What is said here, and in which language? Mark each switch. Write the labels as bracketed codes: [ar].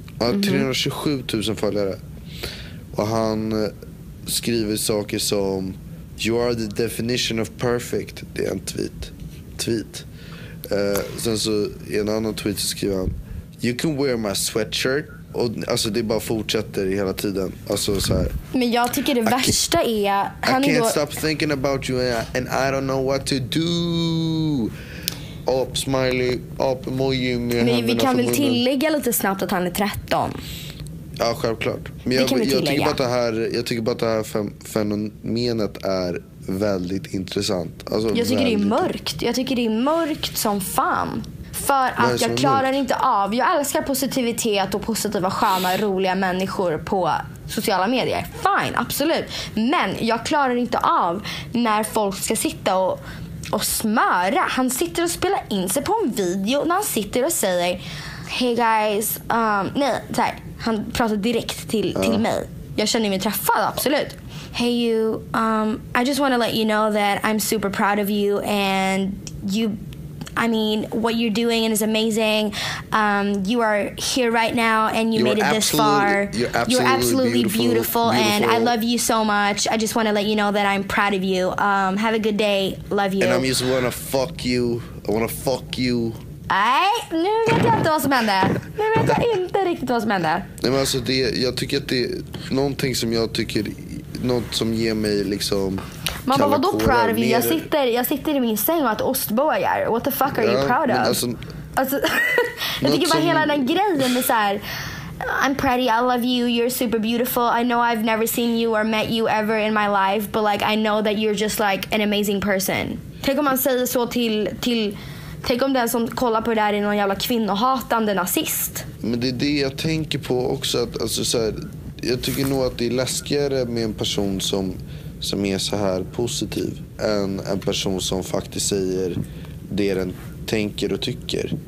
[sv] Han har 327 000 följare. Och han skriver saker som [en] "You are the definition of perfect." [sv] Det är en tweet. Sen så i en annan tweet så skriver han [en] "You can wear my sweatshirt." [sv] Och alltså det bara fortsätter hela tiden. Alltså så här. Men jag tycker det värsta är han [en] "I can't stop thinking about you and I don't know what to do." [sv] Op, smiley, op, emoji. Men vi kan väl tillägga lite snabbt att han är 13. Ja, självklart. Men jag tycker bara att det här, jag tycker bara att det här fenomenet är väldigt intressant. Alltså, jag tycker väldigt... det är mörkt. Jag tycker det är mörkt som fan. För att jag klarar mörkt. Inte av. Jag älskar positivitet och positiva, sköna, roliga människor på sociala medier. Fine, absolut. Men jag klarar inte av när folk ska sitta och smöra. Han sitter och spelar in sig på en video när han sitter och säger [en] "Hey guys, [sv] han pratar direkt till mig. Jag känner mig träffad, absolut. [en] "Hey you, I just want to let you know that I'm super proud of you and you, I mean, what you're doing is amazing. You are here right now and you made it this far. You're absolutely beautiful and I love you so much. I just want to let you know that I'm proud of you. Have a good day. Love you. And I'm just wanna fuck you. I wanna fuck you." [sv] Nej, nu vet jag inte vad som hände. Nu vet jag inte riktigt vad som hände. Nej, men alltså det, jag tycker att det är någonting som jag tycker, något som ger mig liksom. Man bara, vadå [en] proud of you? [sv] Jag sitter i min säng och äter ostbågar. [en] What the fuck are you proud of? [sv] Alltså jag tycker bara hela den grejen med såhär [en] "I'm pretty, I love you, you're super beautiful. I know I've never seen you or met you ever in my life, but like I know that you're just like an amazing person." [sv] Tänk om man säger så till tänk om den som kollar på det där är någon jävla kvinnohatande nazist. Men det är det jag tänker på också, att alltså så här, jag tycker nog att det är läskigare med en person som är så här positiv än en person som faktiskt säger det den tänker och tycker.